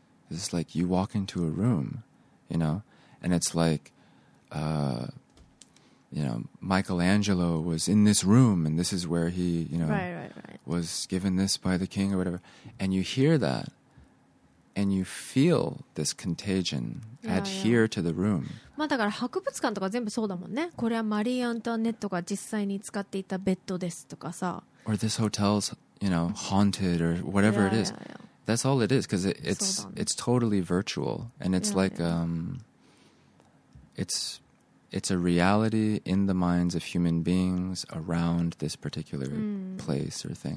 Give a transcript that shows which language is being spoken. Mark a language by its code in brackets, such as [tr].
[en] It's like you walk into a room, you know, and it's like, you know, Michelangelo was in this room and this is where he, you know, right. was given this by the king or whatever. And you hear that and you feel this contagion adhere to the room. [ja] まあだから博物館とか全部そうだもんね。これはマリー・アントワネットが実際に使っていたベッドですとかさ。 [en] Or this hotel's, you know, haunted or whatever it is. That's all it is, because it's totally virtual, and it's it's a reality in the minds of human beings around this particular place or thing.